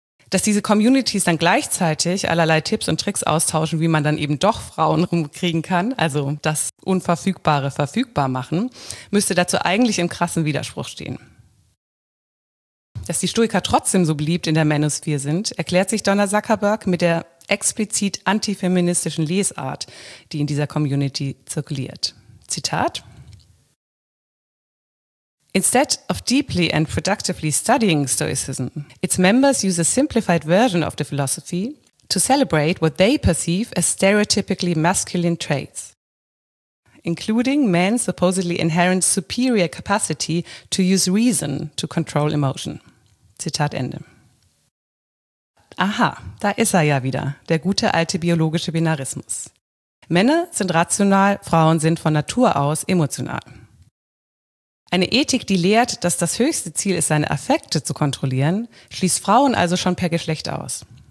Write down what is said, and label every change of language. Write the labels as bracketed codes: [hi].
[de] Dass diese Communities dann gleichzeitig allerlei Tipps und Tricks austauschen, wie man dann eben doch Frauen rumkriegen kann, also das Unverfügbare verfügbar machen, müsste dazu eigentlich im krassen Widerspruch stehen. Dass die Stoiker trotzdem so beliebt in der Manosphere sind, erklärt sich Donna Zuckerberg mit der explizit antifeministischen Lesart, die in dieser Community zirkuliert. [en] Zitat: Instead of deeply and productively studying Stoicism, its members use a simplified version of the philosophy to celebrate what they perceive as stereotypically masculine traits, including men's supposedly inherent superior capacity to use reason to control emotion. [de] Zitat Ende. Aha, da ist er ja wieder, der gute alte biologische Binarismus. Männer sind rational, Frauen sind von Natur aus emotional. Eine Ethik, die lehrt, dass das höchste Ziel ist, seine Affekte zu kontrollieren, schließt Frauen also schon per Geschlecht aus.